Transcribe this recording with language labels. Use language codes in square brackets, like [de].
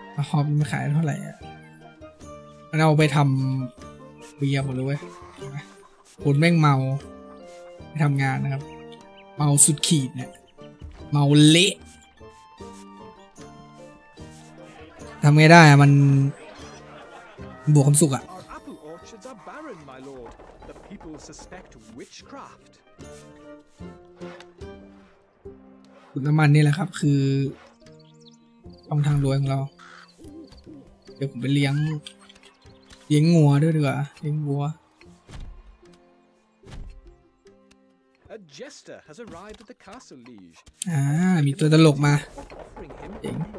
[th] หอมมันขายเท่าไหร่อะมันเอาไปทำเบียร์หมดเลยคนแม่งเมาไปทำงานนะครับเมาสุดขีดเนี่ยเมาเละทำไงได้อะมันบวกความสุขอะ [en] Our apple orchards are barren, my lord. The people suspect witchcraft. [th] ขุดน้ำมันนี่แหละครับคือช่องทางรวยของเราเดี๋ยวผมไปเลี้ยงงัวด้วยดีกว่าเลี้ยงวัว [en] A jester has arrived at the castle liege. [th] มีตัวตลกมาเจ๋ง